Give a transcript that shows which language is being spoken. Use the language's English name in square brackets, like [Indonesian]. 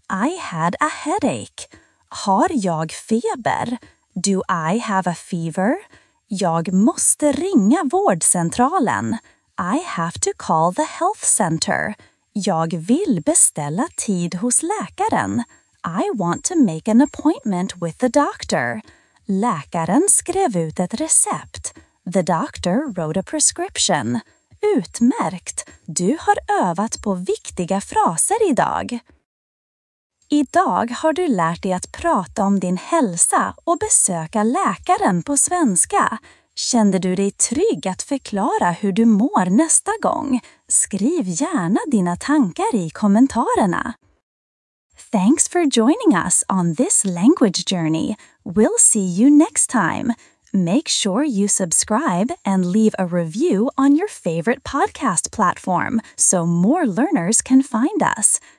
[English] I had a headache. [Swedish] Har jag feber? [English] Do I have a fever? [Swedish] Jag måste ringa vårdcentralen. [English] I have to call the health center. [Swedish] Jag vill beställa tid hos läkaren. [English] I want to make an appointment with the doctor. [Swedish] Läkaren skrev ut ett recept. [English] The doctor wrote a prescription. [Swedish] Utmärkt! Du har övat på viktiga fraser idag. Idag har du lärt dig att prata om din hälsa och besöka läkaren på svenska. Kände du dig trygg att förklara hur du mår nästa gång? Skriv gärna dina tankar i kommentarerna. [English] Thanks for joining us on this language journey. We'll see you next time. Make sure you subscribe and leave a review on your favorite podcast platform so more learners can find us.